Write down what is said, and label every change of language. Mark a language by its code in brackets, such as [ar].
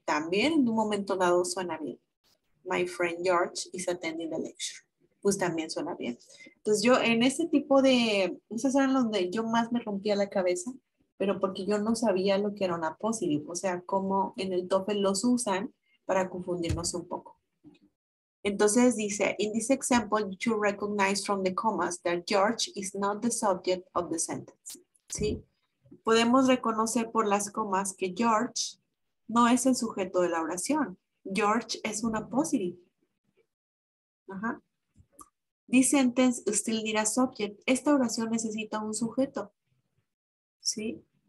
[es] También en un momento dado suena bien. [en] My friend George is attending the lecture. [es] Pues también suena bien. Entonces yo en ese tipo de, esos eran los de yo más me rompía la cabeza, pero porque yo no sabía lo que era una positive, o sea, cómo en el TOEFL los usan para confundirnos un poco. Entonces dice, [en] in this example, you recognize from the commas that George is not the subject of the sentence. [es] ¿Sí? Podemos reconocer por las comas que George no es el sujeto de la oración. George es una positive. Ajá. [en] This sentence still need a subject. [es] Esta oración necesita un sujeto. ¿Sí?